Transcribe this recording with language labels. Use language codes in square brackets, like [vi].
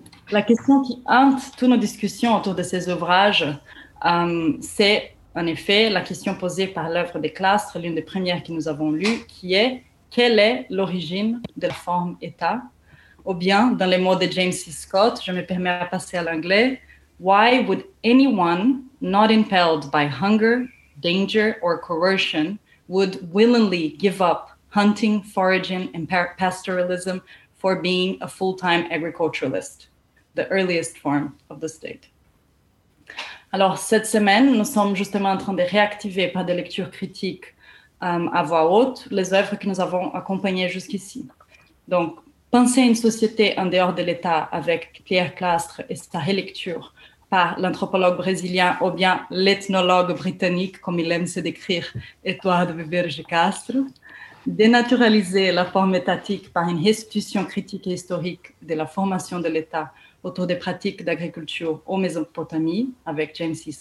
[fr] La question qui hante toutes nos discussions autour de ces ouvrages, c'est en effet la question posée par l'œuvre des Clastres, l'une des premières que nous avons lues, qui est: quelle est l'origine de la forme État? Ou bien, dans les mots de James C. Scott, je me permets de passer à l'anglais, [en] Why would anyone not impelled by hunger, danger or coercion would willingly give up hunting, foraging and pastoralism for being a full-time agriculturalist, the earliest form of the state? [fr] Alors, cette semaine, nous sommes justement en train de réactiver par des lectures critiques à voix haute les œuvres que nous avons accompagnées jusqu'ici. Donc, penser une société en dehors de l'État avec Pierre Clastres et sa relecture par l'anthropologue brésilien ou bien l'ethnologue britannique, comme il aime se décrire, Édouard Beberge Castro, dénaturaliser la forme étatique par une restitution critique et historique de la formation de l'État autour des pratiques d'agriculture en Mésopotamie avec James C.